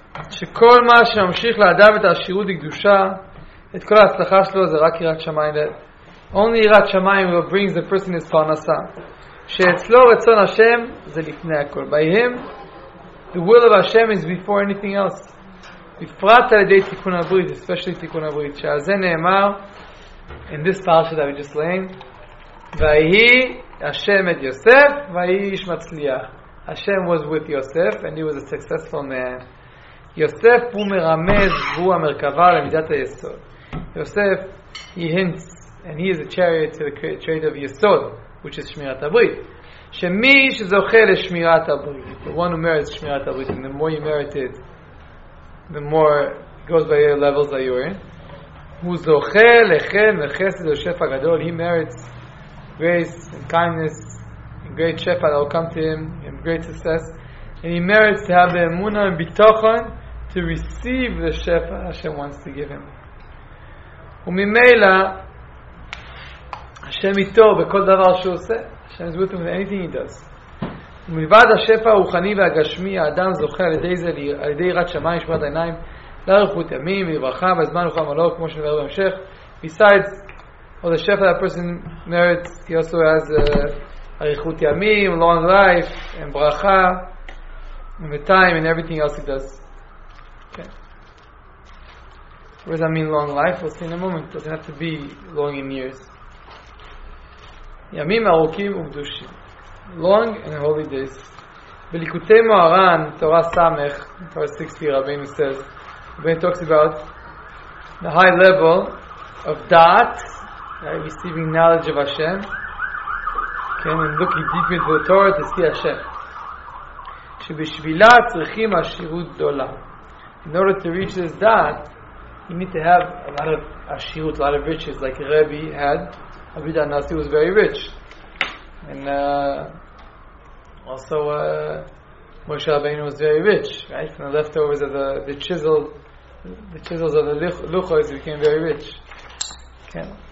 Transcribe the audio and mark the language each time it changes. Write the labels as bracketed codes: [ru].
[he] שכל מה שממשיך לאדם את העשירות בקדושה, את כל ההצלחה שלו זה רק יראת שמיים. [en] Only יראת שמיים will bring the person his parnasa. שאצלו רצון השם זה לפני הכל. By him, the will of Hashem is before anything else. [he] בפרט על ידי תיקון הברית, especially תיקון הברית, שעל זה נאמר, in this parasha that we just learned, והיהי השם את יוסף, והיהי איש מצליח. [en] השם was with יוסף, and he was a successful man. [he] יוסף הוא מרמז, והוא המרכבה למידת היסוד. [en] יוסף, he hints, and he is a chariot to the trait of יסוד, which is שמירת הברית. שמי שזוכה לשמירת הברית, the one who merits שמירת הברית, and the more you merit it, the more it goes by your levels that you're in. הוא זוכה לכם לחסד יוסף הגדול, he merits grace and kindness, and great shefa that will come to him, and great success. And he merits to have the emunah and bitochon to receive the shefa Hashem wants to give him. [he] וממילא, Hashem איתו בכל דבר שהוא עושה. [en] Hashem is with him with anything he does. [he] ומלבד השפע הרוחני והגשמי, האדם זוכה על ידי זה, על ידי יראת שמיים, שמירת עיניים, לאריכות ימים, לברכה, בזמן וכל מלוא, כמו שנברר בהמשך. [en] Besides, all the shefa that person merits, he also has אריכות ימים, long life, and ברכה, and the time, and everything else he does. Okay. What does that mean, long life? We'll see in a moment. It doesn't have to be long in years. ימים ארוכים וקדושים. Long and holy days. בליקוטי מוהר"ן, תורה סמך, תורה 60, רבינו says, when he talks about the high level of da'at, receiving knowledge of Hashem, okay, and looking deep into the Torah to see Hashem. [he] שבשבילה צריכים עשירות גדולה. [en] In order to reach this da'at, you need to have a lot of עשירות, a lot of riches, like Rebbe had. Rebbe Anasi was very rich. And also Moshe Rabbeinu was very rich, right? From the leftovers of the chisels of the luchos became very rich. Okay.